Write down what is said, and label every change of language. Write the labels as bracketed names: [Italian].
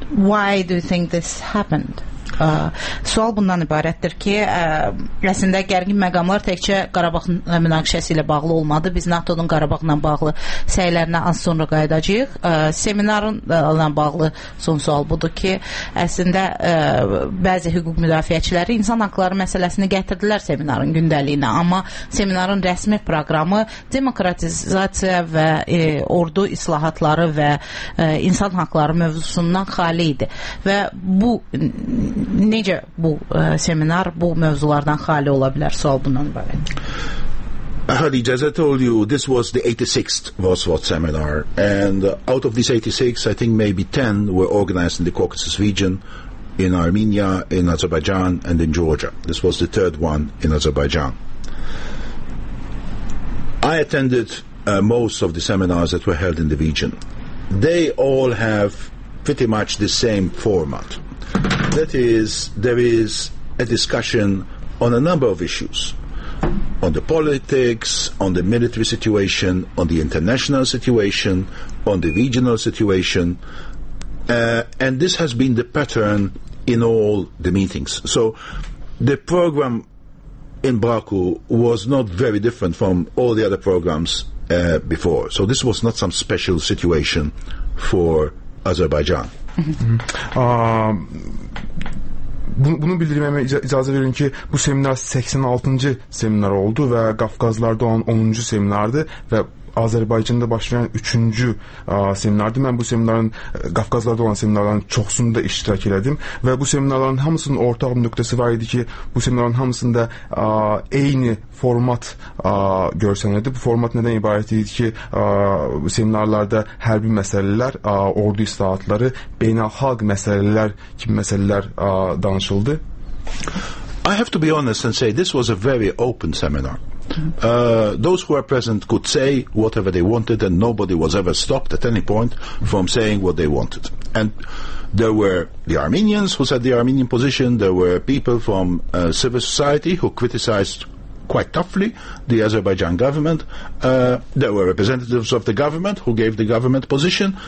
[English] Why do you think this happened? [Azerbaijani] Sual bundan ibarətdir ki, əslində gərgin məqamlar təkcə Qarabağ münaqişəsi ilə bağlı olmadı. Biz NATO-nun Qarabağla bağlı səylərinə az sonra qayıdacağıq. Seminarla bağlı son sual budur ki, əslində bəzi hüquq müdafiəçiləri insan haqları məsələsini gətirdilər seminarın gündəliyinə, amma seminarın rəsmi proqramı demokratizasiya və ordu islahatları və insan haqları mövzusundan xali idi. Və bu necə bu seminar bu mövzulardan xali ola bilər? Sual bundan ibarət. [English] Hadija, as I told you, this was the 86th Voskhod seminar, and out of these 86, I think maybe 10 were organized in the Caucasus region, in Armenia, in Azerbaijan, and in Georgia. This was the third one in Azerbaijan. I attended most of the seminars that were held in the region. They all have pretty much the same format. That is, there is a discussion on a number of issues, on the politics, on the military situation, on the international situation, on the regional situation, and this has been the pattern in all the meetings. So the program in Baku was not very different from all the other programs before. So this was not some special situation for Azerbaijan. [Azerbaijani] Bunu bildirməyə icazə verin ki, bu seminar 86-cı seminar oldu və Qafqazlarda olan 10-cu seminardı və Azərbaycanda baş verən 3-cü seminardır. Mən bu seminarın Qafqazlarda olan seminarların çoxsunda iştirak elədim və bu seminarların hamısının ortaq nöqtəsi var idi ki, bu seminarların hamısında eyni format görsənirdi. Bu format nədən ibarət idi ki, seminarlarda hərbi məsələlər, ordu islahatları, beynəlxalq məsələlər kimi məsələlər danışıldı. [English] I have to be honest and say this was a very open seminar. Those who were present could say whatever they wanted, and nobody was ever stopped at any point from saying what they wanted. And there were the Armenians who said the Armenian position, there were people from civil society who criticized quite toughly the Azerbaijan government, there were representatives of the government who gave the government position.